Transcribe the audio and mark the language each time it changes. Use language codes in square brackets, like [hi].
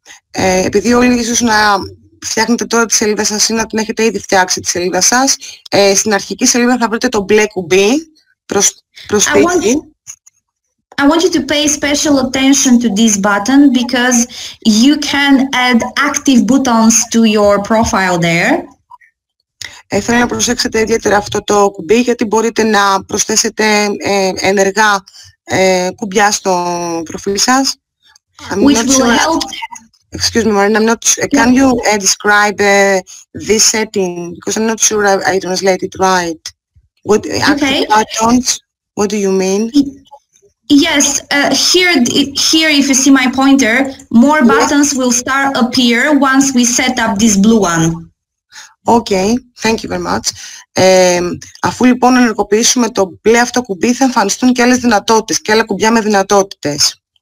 [el] Επειδή όλοι ίσως να φτιάχνετε τώρα τη σελίδα σας ή να την έχετε ήδη φτιάξει τη σελίδα σας, στην αρχική σελίδα θα βρείτε το μπλε κουμπί προς πίσω. [en] I want you to pay special attention to this button because you can add active buttons to your profile there. [el] Θέλω να προσέξετε ιδιαίτερα αυτό το κουμπί γιατί μπορείτε να προσθέσετε ενεργά κουμπιά στο προφίλ σας. [en] Which will help. Excuse me, Marina. Can you describe this setting? Because I'm not sure I translated it right. What active buttons? What do you mean? Yes, here if you see my pointer, more buttons will start appear once we set up this blue one. Okay, thank you very much. [el] Αφού λοιπόν ενεργοποιήσουμε το μπλε αυτό κουμπί, θα εμφανιστούν και άλλες δυνατότητες, και άλλα κουμπιά με δυνατότητες.